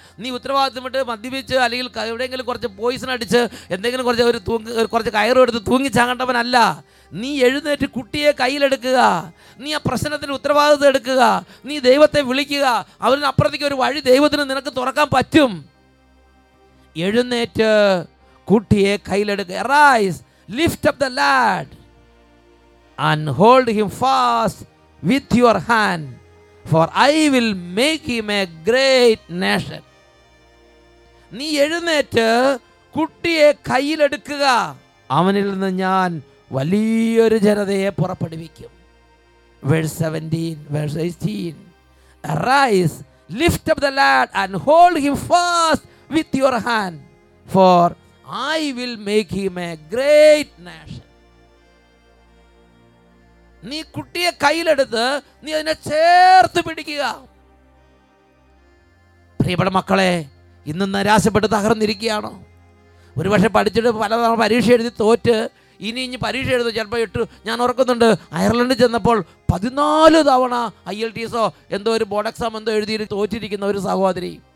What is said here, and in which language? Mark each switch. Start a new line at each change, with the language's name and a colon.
Malayalam: നീ ഉത്തരവാദിത്വം വിട്ട് മദ്യപിച്ച് അല്ലെങ്കിൽ എവിടെയെങ്കിലും കുറച്ച് പോയിസൺ അടിച്ച് എന്തെങ്കിലും കുറച്ച് ഒരു കുറച്ച് കയറുമെടുത്ത് തൂങ്ങിച്ചാകേണ്ടവനല്ല. നീ എഴുന്നേറ്റ് കുട്ടിയെ കയ്യിലെടുക്കുക. നീ ആ പ്രശ്നത്തിൻ്റെ ഉത്തരവാദിത്വം എടുക്കുക. നീ ദൈവത്തെ വിളിക്കുക. അവരിന് അപ്പുറത്തേക്ക് ഒരു വഴി ദൈവത്തിന് നിനക്ക് തുറക്കാൻ പറ്റും. എഴുന്നേറ്റ് കുട്ടിയെ കയ്യിലെടുക്കുക.
English: Arise, lift up the lad and hold him fast with your hand, for I will make him a great nation.
Malayalam: നീ എഴുന്നേറ്റ് കുട്ടിയെ കയ്യിലെടുക്കുക. അവനിൽ നിന്ന് ഞാൻ വലിയൊരു ജനതയെ പുറപ്പെടുവിക്കും.
English: Verse 17, verse 18. Arise, lift up the lad and hold him fast with your hand, for I will make him a great nation.
Malayalam: നീ കുട്ടിയെ കയ്യിലെടുത്ത് നീ അതിനെ ചേർത്ത് പിടിക്കുക. പ്രിയപ്പെട്ട മക്കളെ, ഇന്ന് നിരാശപ്പെട്ട് തകർന്നിരിക്കുകയാണോ? ഒരുപക്ഷെ പഠിച്ചിട്ട് പലതവണ പരീക്ഷ എഴുതി തോറ്റ് ഇനി ഇനി പരീക്ഷ എഴുതും. ചിലപ്പോൾ എട്ട്, ഞാൻ ഓർക്കുന്നുണ്ട് അയർലൻഡിൽ ചെന്നപ്പോൾ 14 തവണ ILTSO എന്തോ ഒരു ബോർഡ് എക്സാം എന്തോ എഴുതി തോറ്റിരിക്കുന്ന ഒരു സഹോദരി.